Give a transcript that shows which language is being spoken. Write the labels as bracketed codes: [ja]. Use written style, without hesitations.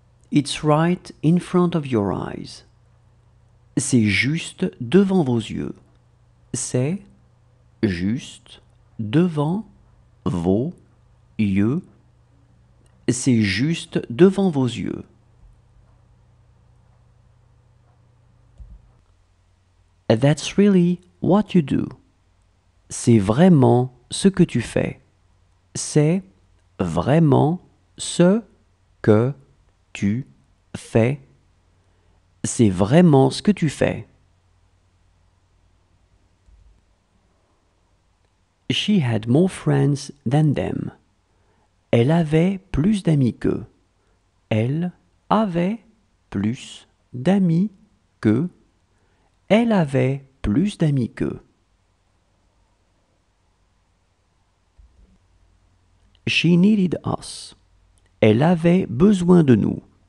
[en] It's right in front of your eyes. [fr] C'est juste devant vos yeux. C'est juste devant vos yeux. C'est juste devant vos yeux. [en] That's really what you do. [fr] C'est vraiment ce que tu fais. C'est vraiment ce que tu fais. C'est vraiment ce que tu fais. [en] She had more friends than them. [fr] Elle avait plus d'amis qu'eux. Elle avait plus d'amis qu'eux. Elle avait plus d'amis qu'eux. [en] She needed us. [fr] Elle avait besoin de nous.